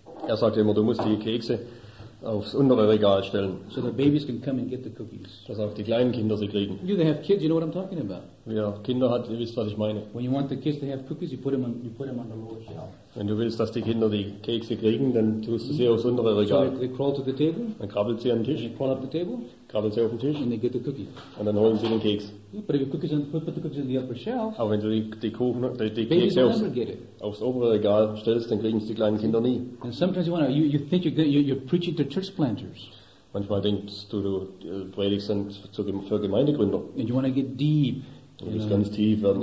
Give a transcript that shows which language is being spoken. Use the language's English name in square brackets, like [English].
[German] Er sagte immer, du musst die Kekse aufs untere Regal stellen. [English] So the babies can come and get the cookies. [German] Dass auch die kleinen Kinder sie kriegen. [English] You have kids, you know what I'm talking about. [German] Wer Kinder hat, ihr wisst, was ich meine. [English] When you want the kids to have cookies, you put them on the lower shelf. [German] Wenn du willst, dass die Kinder die Kekse kriegen, dann tust du sie aufs untere Regal. [English] So they crawl to the table. [German] Dann krabbelt sie an den Tisch. [English] And they crawl up the table. [German] Krabbelt sie auf den Tisch. [English] And they get the cookies. [German] Und dann holen sie den Keks. [English] But if you put the cookies on the upper shelf. [German] Aber wenn du die Kekse aufs obere Regal stellst, dann kriegen es die kleinen Kinder nie. [English] And sometimes you think you're preaching to church planters. [German] Manchmal denkst du, du predigst für Gemeindegründer. [English] And you want to get deep. [German] Und das ganz tief werden.